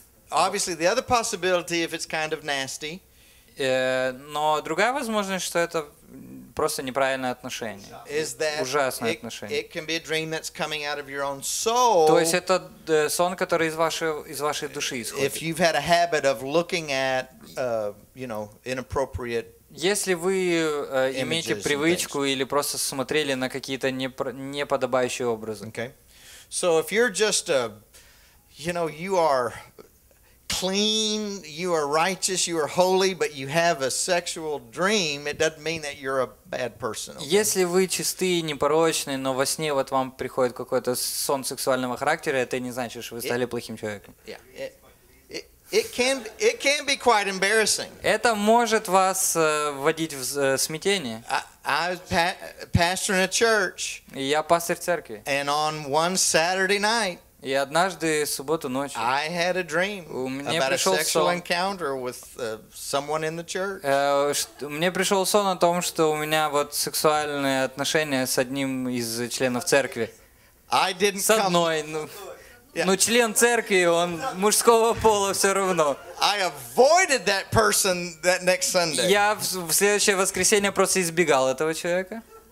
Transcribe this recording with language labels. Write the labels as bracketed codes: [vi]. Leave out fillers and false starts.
[en] Obviously the other possibility, if it's kind of nasty. [ru] Но другая возможность, что это просто неправильное отношение, ужасное отношение. То есть это сон, который из вашей души исходит. Если вы имеете привычку или просто смотрели на какие-то неподобающие образы. [en] Okay. So if you're just a, you know, you are clean, you are righteous, you are holy, but you have a sexual dream, it doesn't mean that you're a bad person. Okay? [ru] Если вы чисты, непорочны, но во сне вот вам приходит какой-то сон сексуального характера, это не значит, что вы стали плохим человеком. [en] Yeah. It can be quite embarrassing. [ru] Это может вас вводить в смятение. [en] I pastor in a church. [ru] Я пастор церкви. [en] And on one Saturday night, [ru] и однажды, субботу ночью, [en] I had a dream about a sexual encounter with someone in the church. [ru] Мне пришел сон о том, что у меня вот сексуальные отношения с одним из членов церкви. [en] I didn't [ru] с одной, [en] come... [ru] ну, yeah. ну, член церкви, он мужского пола все равно. [en] I avoided that person that next Sunday. [ru] Я в следующее воскресенье просто избегал этого человека.